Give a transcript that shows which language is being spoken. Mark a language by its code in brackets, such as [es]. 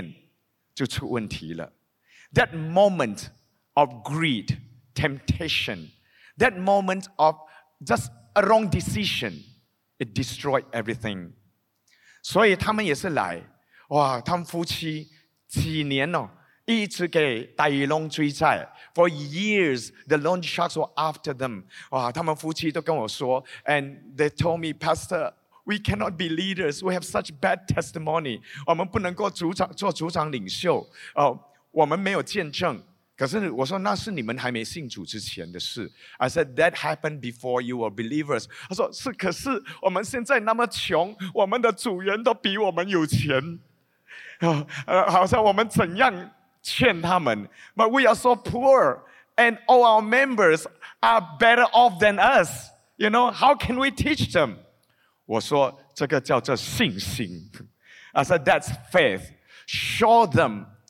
[zh] 一时的错误的决定,一时的贪念就出问题了。 [en] That moment of greed, temptation, that moment of just a wrong decision, it destroyed everything. [zh] 所以他们也是来,哇,他们夫妻几年哦,一直给大鱼龙追债, [en] for years, the loan sharks were after them. [zh] 哇,他们夫妻都跟我说, [en] and they told me, Pastor, we cannot be leaders, we have such bad testimony, [zh] 我们不能够做主长领袖, 我们没有见证, 可是我说那是你们还没信主之前的事。 [en] I said, that happened before you were believers. [zh] 他说,是,可是我们现在那么穷, 我们的主人都比我们有钱。好像我们怎样劝他们, [en] but we are so poor, and all our members are better off than us. You know, how can we teach them? [zh] 我说,这个叫做信心。 [en] I said, that's faith. Show them.